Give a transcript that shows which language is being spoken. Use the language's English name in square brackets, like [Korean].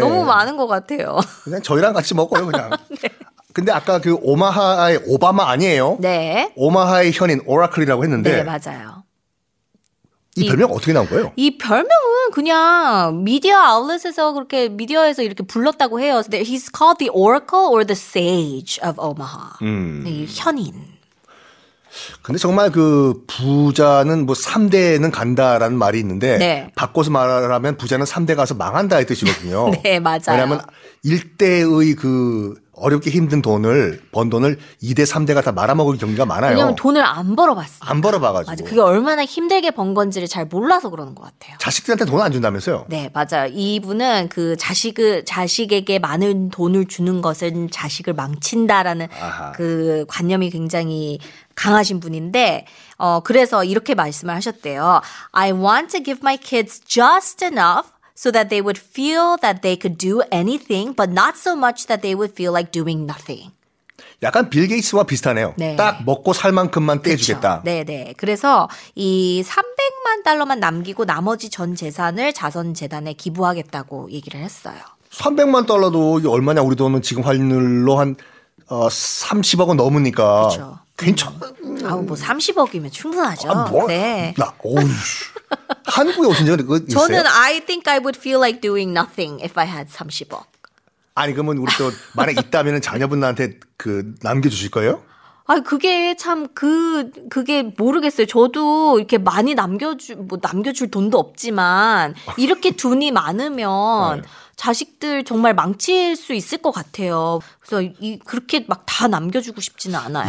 [Korean] 너무 많은 것 같아요. 그냥 저희랑 같이 먹어요, 그냥. 네. 근데 아까 그 오마하의 오바마 아니에요? 네. 오마하의 현인 오라클이라고 했는데. 네, 맞아요. 이 별명 어떻게 나온 거예요? 이 별명은 그냥 미디어 아웃렛에서 그렇게 미디어에서 이렇게 불렀다고 해요. [English] He's called the Oracle or the Sage of Omaha. [Korean] 이 현인. 근데 정말 그 부자는 뭐 3대는 간다라는 말이 있는데 네. 바꿔서 말하면 부자는 3대 가서 망한다의 뜻이거든요. 네, 맞아요. 왜냐하면 1대의 그 어렵게 힘든 돈을 번 돈을 2대 3대가 다 말아먹을 경우가 많아요. 왜냐하면 돈을 안 벌어봤어요. 안 벌어봐가지고. 맞아, 그게 얼마나 힘들게 번 건지를 잘 몰라서 그러는 것 같아요. 자식들한테 돈 안 준다면서요? 네, 맞아요. 이분은 그 자식에게 많은 돈을 주는 것은 자식을 망친다라는 아하. 그 관념이 굉장히 강하신 분인데 그래서 이렇게 말씀을 하셨대요. [English] I want to give my kids just enough so that they would feel that they could do anything but not so much that they would feel like doing nothing. [Korean] 약간 빌 게이츠와 비슷하네요. 네. 딱 먹고 살 만큼만 떼주겠다. 네, 네. 그래서 이 300만 달러만 남기고 나머지 전 재산을 자선 재단에 기부하겠다고 얘기를 했어요. 300만 달러도 얼마냐? 우리 돈은 지금 환율로 한 30억은 넘으니까. 그렇죠. 괜찮아. 아, 뭐 30억이면 충분하죠. 아, 뭐? 네. 나 어이씨. 한국에 오신 적은 그 있어요? 저는 [English] I think I would feel like doing nothing if I had 30억. [Korean] 아니 그러면 우리 또 만약 있다면은 자녀분한테 그 남겨주실 거예요? 아, 그게 참 그게 모르겠어요. 저도 이렇게 많이 남겨줄 돈도 없지만 이렇게 돈이 많으면. 네. 자식들 정말 망칠 수 있을 것 같아요. 그래서 그렇게 막 다 남겨주고 싶지는 않아요.